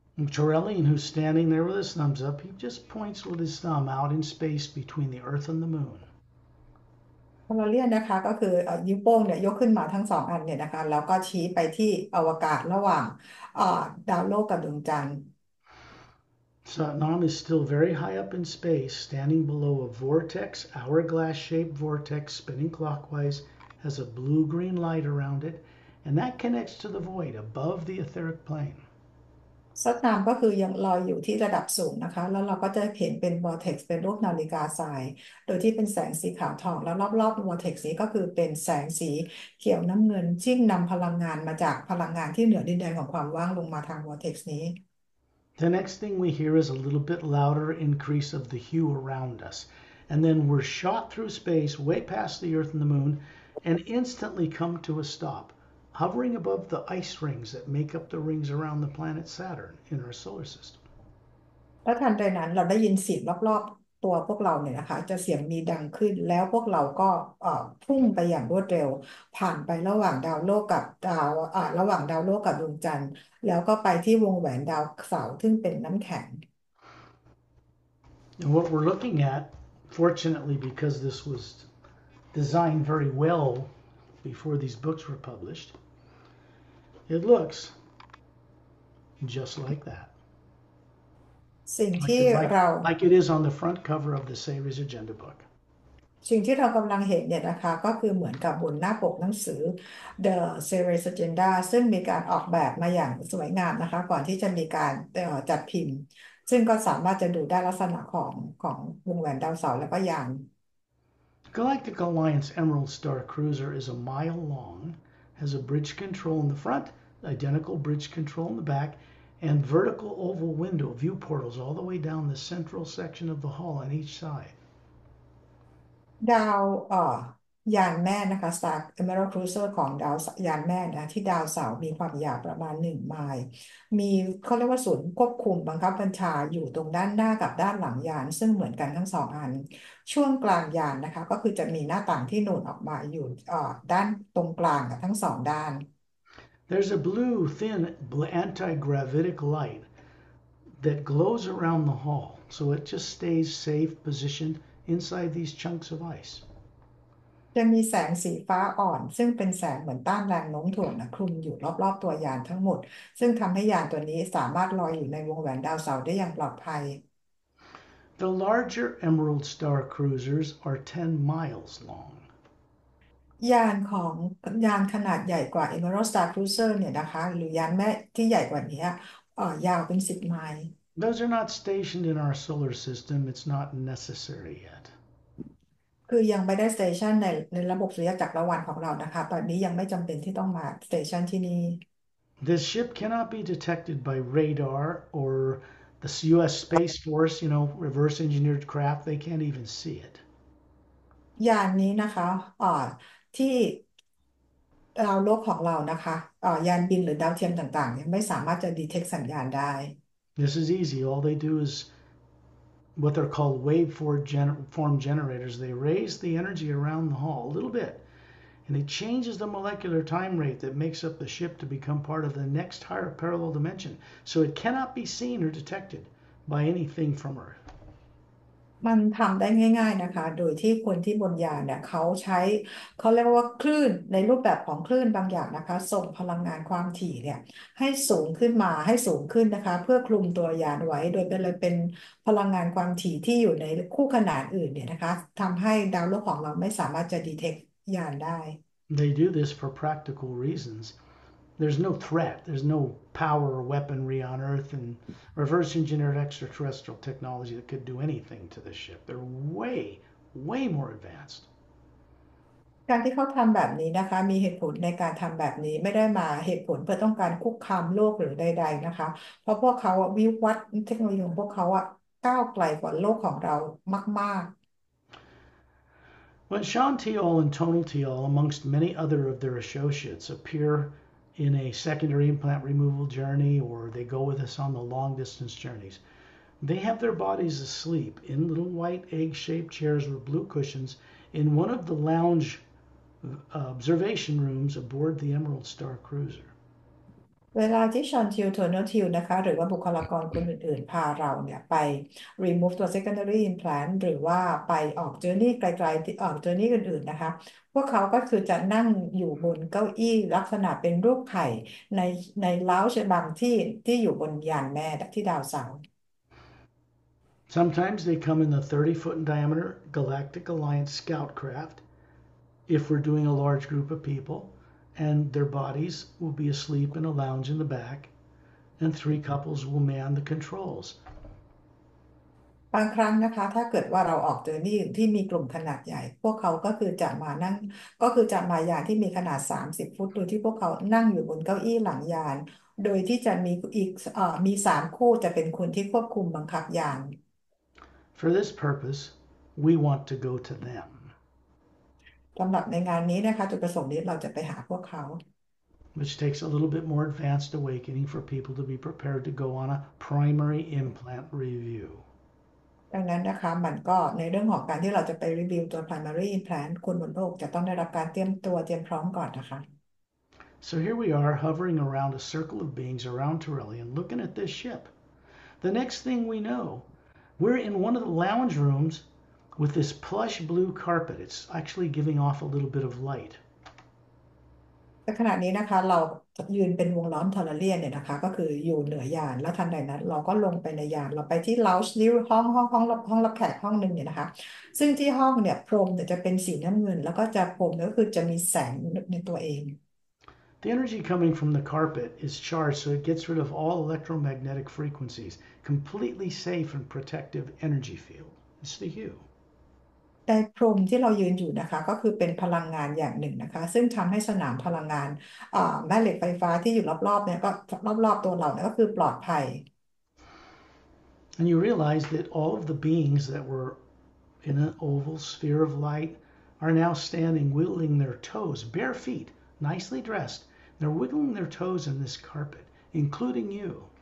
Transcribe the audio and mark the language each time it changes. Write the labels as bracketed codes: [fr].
[en] Chorellian, who's standing there with his thumbs up, he just points with his thumb out in space between the Earth and the Moon. [th] พอเราเรียนนะคะก็คือนิ้วโป้งเนี่ยยกขึ้นมาทั้งสองอันเนี่ยนะคะแล้วก็ชี้ไปที่อวกาศระหว่างดาวโลกกับดวงจันทร์ [en] Satnam is still very high up in space, standing below a vortex, hourglass-shaped vortex, spinning clockwise, has a blue-green light around it, and that connects to the void above the etheric plane. [th] สัตนามก็คือยังลอยอยู่ที่ระดับสูงนะคะแล้วเราก็จะเห็นเป็นวอร์เท็กซ์เป็นรูปนาฬิกาทรายโดยที่เป็นแสงสีขาวทองแล้วรอบๆวอร์เท็กซ์นี้ก็คือเป็นแสงสีเขียวน้ำเงินซึ่งนำพลังงานมาจากพลังงานที่เหนือดินแดนของความว่างลงมาทางวอร์เท็กซ์นี้ [en] The next thing we hear is a little bit louder increase of the hue around us. And then we're shot through space way past the Earth and the Moon and instantly come to a stop, hovering above the ice rings that make up the rings around the planet Saturn in our solar system. [th] และทันใดนั้นเราได้ยินเสียงรอบๆตัวพวกเราเนี่ยนะคะจะเสียงมีดังขึ้นแล้วพวกเราก็พุ่งไปอย่างรวดเร็วผ่านไประหว่างดาวโลกกับดาวระหว่างดาวโลกกับดวงจันทร์แล้วก็ไปที่วงแหวนดาวเสาร์ซึ่งเป็นน้ำแข็ง [en] And what we're looking at, fortunately, because this was designed very well before these books were published, it looks just like that. [th] สิ่งที่เรา [en] Like it is on the front cover of the Saviour's Agenda book. [th] สิ่งที่เรากำลังเห็นเนี่ยนะคะก็คือเหมือนกับบนหน้าปกหนังสือ The Saviour's Agenda ซึ่งมีการออกแบบมาอย่างสวยงามนะคะก่อนที่จะมีการจัดพิมพ์ซึ่งก็สามารถจะดูได้ลักษณะของวงแหวนดาวเสาร์และก็ยาน [en] Galactic Alliance Emerald Star Cruiser is a mile long, has a bridge control in the front, identical bridge control in the back, and vertical oval window view portals all the way down the central section of the hull on each side. [th] ดาว ยานแม่นะคะ Star Emerald Cruiser ของดาวยานแม่นะที่ดาวเสาร์มีความยาวประมาณ1 ไมล์มีเขาเรียกว่าศูนย์ควบคุมบังคับบัญชาอยู่ตรงด้านหน้ากับด้านหลังยานซึ่งเหมือนกันทั้ง2 อันช่วงกลางยานนะคะก็คือจะมีหน้าต่างที่หนุนออกมาอยู่ด้านตรงกลางกับทั้ง2 ด้าน [en] There's a blue thin anti-gravitic light that glows around the hull, so it just stays safe positioned inside these chunks of ice. [th] จะมีแสงสีฟ้าอ่อนซึ่งเป็นแสงเหมือนต้านแรงโน้มถ่วงนะคลุมอยู่รอบๆตัวยานทั้งหมดซึ่งทำให้ยานตัวนี้สามารถลอยอยู่ในวงแหวนดาวเสาร์ได้อย่างปลอดภัย [en] The larger Emerald Star cruisers are 10 miles long. [th] ยานขนาดใหญ่กว่า Emerald Star Cruiser เนี่ยนะคะหรือยานแม่ที่ใหญ่กว่านี้ยาวเป็น10 ไมล์ [en] Those are not stationed in our solar system. It's not necessary yet. [th] คือยังไม่ได้สเตชันในระบบสุริยะจักรวาลของเรานะคะตอนนี้ยังไม่จำเป็นที่ต้องมาสเตชันที่นี่ [en] This ship cannot be detected by radar or the US Space Force, you know, reverse engineered craft. They can't even see it. [th] อย่างนี้นะคะที่ดาวโลกของเรานะคะยานบินหรือดาวเทียมต่างๆยังไม่สามารถจะดีเทคสัญญาณได้ [en] This is easy. All they do is what they're called waveform generators. They raise the energy around the hull a little bit, and it changes the molecular time rate that makes up the ship to become part of the next higher parallel dimension. So it cannot be seen or detected by anything from Earth. [th] มันทำได้ง่ายๆนะคะโดยที่คนที่บนยานเนี่ยเขาใช้เขาเรียกว่าคลื่นในรูปแบบของคลื่นบางอย่างนะคะส่งพลังงานความถี่เนี่ยให้สูงขึ้นมาให้สูงขึ้นนะคะเพื่อคลุมตัวยานไว้โดยเป็นพลังงานความถี่ที่อยู่ในคู่ขนานอื่นเนี่ยนะคะทำให้ดาวโลกของเราไม่สามารถจะดีเทคยานได้ [en] They do this for practical reasons. There's no threat. There's no power or weaponry on Earth and reverse engineered extraterrestrial technology that could do anything to the ship. They're way, way more advanced. [th] การที่เขาทำแบบนี้นะคะมีเหตุผลในการทำแบบนี้ไม่ได้มาเหตุผลเพื่อต้องการคุกคามโลกหรือใดๆนะคะเพราะพวกเขาวิวัฒน์เทคโนโลยีของพวกเขาอะก้าวไกลกว่าโลกของเรามากๆ [en] When Shawn Teal and Tonal Teal, amongst many other of their associates, appear in a secondary implant removal journey or they go with us on the long distance journeys, they have their bodies asleep in little white egg-shaped chairs with blue cushions in one of the lounge observation rooms aboard the Emerald Star Cruiser. [th] เวลาที่ชอนทิวโทนทิวนะคะหรือว่าบุคลากรคนอื่นๆพาเราเนี่ยไป [en] remove [th] ตัว secondary implant หรือว่าไปออก journey ไกลๆที่ออก journey อื่นๆนะคะพวกเขาก็คือจะนั่งอยู่บนเก้าอี้ลักษณะเป็นรูปไข่ในเล้าชบังที่อยู่บนยานแม่ที่ดาวเสาร์ [en] Sometimes they come in the 30-foot in diameter Galactic Alliance scout craft if we're doing a large group of people. And their bodies will be asleep in a lounge in the back, and three couples will man the controls. [th] บางครั้งนะคะถ้าเกิดว่าเราออกเจอร์นี่ที่มีกลุ่มขนาดใหญ่พวกเขาก็คือจะมานั่งก็คือจะมายานที่มีขนาด30 ฟุตโดยที่พวกเขานั่งอยู่บนเก้าอี้หลังยานโดยที่จะมีอีกมี3 คู่จะเป็นคนที่ควบคุมบังคับยาน [en] For this purpose, we want to go to them. [th] สำหรับในงานนี้นะคะจุดประสงค์นี้เราจะไปหาพวกเขา [en] Which takes a little bit more advanced awakening for people to be prepared to go on a primary implant review. [th] ดังนั้นนะคะมันก็ในเรื่องของการที่เราจะไปรีวิวตัว primary implant คนบนโลกจะต้องได้รับการเตรียมตัวเตรียมพร้อมก่อนนะคะ [en] So here we are hovering around a circle of beings around Tirrellian looking at this ship. The next thing we know, we're in one of the lounge rooms with this plush blue carpet. It's actually giving off a little bit of light. [th] แต่ขณะนี้นะคะเรายืนเป็นวงล้อมทอร์เรียนเนี่ยนะคะก็คืออยู่เหนือยานแล้วทันใดนั้นเราก็ลงไปในยานเราไปที่เลาจ์นี่ห้องรับแขกห้องหนึ่งเนี่ยนะคะซึ่งที่ห้องเนี่ยพรมเนี่ยจะเป็นสีน้ำเงินแล้วก็จะพรมก็คือจะมีแสงในตัวเอง [en] The energy coming from the carpet is charged so it gets rid of all electromagnetic frequencies, completely safe and protective energy field. It's the hue. [th] แต่พรมที่เรายืนอยู่นะคะก็คือเป็นพลังงานอย่างหนึ่งนะคะซึ่งทำให้สนามพลังงานแม่เหล็กไฟฟ้าที่อยู่รอบๆเนี่ยก็รอบๆตัวเราเนี่ยก็คือปลอดภัย [en] And you realize that all of the beings that were in an oval sphere of light are now standing wiggling their toes, bare feet, nicely dressed. They're wiggling their toes in this carpet, including you.